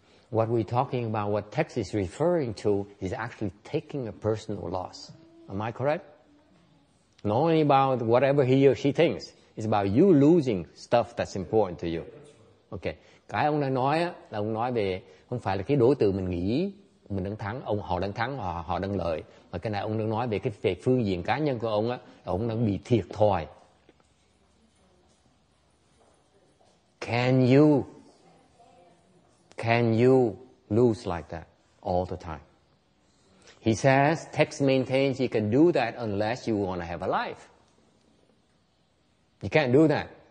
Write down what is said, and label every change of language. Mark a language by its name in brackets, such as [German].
[English] what we're talking about, what text is referring to, is actually taking a personal loss. Am I correct? Not only about whatever he or she thinks. It's about you losing stuff that's important to you. Okay. [Vietnamese] Cái ông đang nói là ông nói về không phải là cái đối tượng mình nghĩ mình đang thắng, ông họ đang thắng, họ đang lợi. Mà cái này ông đang nói về cái về phương diện cá nhân của ông á, là ông đang bị thiệt thòi. [English] Can you lose like that all the time? He says, text maintains you can do that unless you want to have a life. You can't do that.